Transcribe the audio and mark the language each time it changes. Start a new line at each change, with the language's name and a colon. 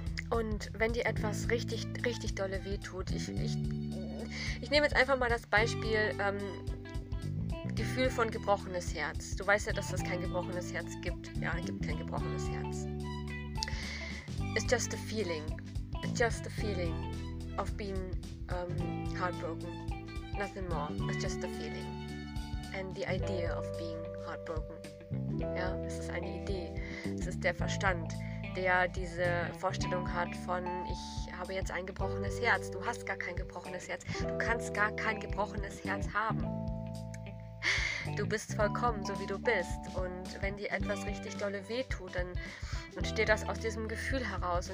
German: Und wenn dir etwas richtig, richtig dolle wehtut, ich nehme jetzt einfach mal das Beispiel Gefühl von gebrochenes Herz. Du weißt ja, dass es kein gebrochenes Herz gibt. Ja, es gibt kein gebrochenes Herz.
English: It's just a feeling. It's just a feeling of being heartbroken. Nothing more. It's just a feeling. And the idea of being heartbroken.
German: Ja, es ist eine Idee. Es ist der Verstand, der diese Vorstellung hat von, ich habe jetzt ein gebrochenes Herz. Du hast gar kein gebrochenes Herz. Du kannst gar kein gebrochenes Herz haben. Du bist vollkommen, so wie du bist. Und wenn dir etwas richtig dolle wehtut, dann entsteht das aus diesem Gefühl heraus.